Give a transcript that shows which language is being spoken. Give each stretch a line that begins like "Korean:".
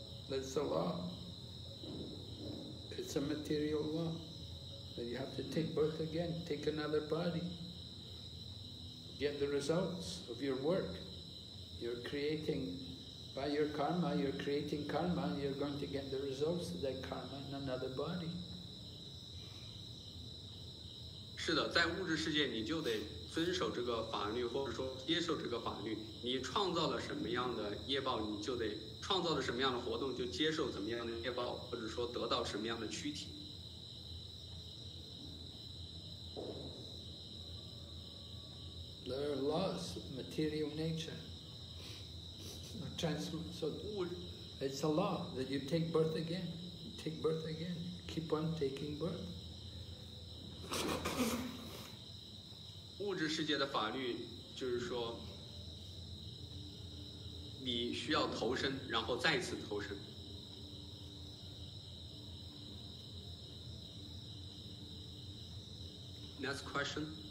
English: That's the law. It's a material law that you have to take birth again, take another body, get the results of your work. You're creating, by your karma, you're creating karma, and you're going to get the results of that karma in another body.
Chinese: 是的，在物质世界你就得遵守这个法律，或者说接受这个法律。你创造了什么样的业报，你就得创造了什么样的活动，就接受怎么样的业报，或者说得到什么样的躯体。
English: There are laws of material nature. So it's a law that you take birth again, take birth again, keep on taking birth.
Chinese: 物质世界的法律就是说，你需要投生，然后再次投生。
English: Next question.